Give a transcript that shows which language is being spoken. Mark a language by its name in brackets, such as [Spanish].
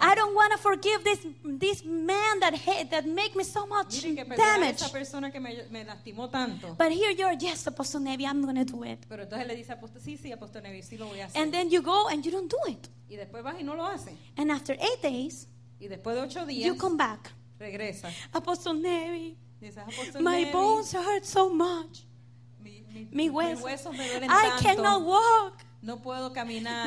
[English] I don't want to forgive this man that make me so much [Spanish] miren, que perdonar [English] damage. [Spanish] Esa persona que me lastimó tanto. [English] But here you're, yes, Apostle Nevi, I'm going to do it. [Spanish] Pero entonces le dice, sí, Apostle Nevi, sí lo voy a hacer. [English] And then you go and you don't do it. [Spanish] Y después vas y no lo hace. [English] And after 8 days, [Spanish] y después de 8 días, [English] you come back. [Spanish] Regresa. [English] Apostle Nevi, Apostle my Nevi, bones hurt so much. [Spanish] Mis huesos me duelen tanto. [English] I cannot walk. [Spanish] No puedo caminar.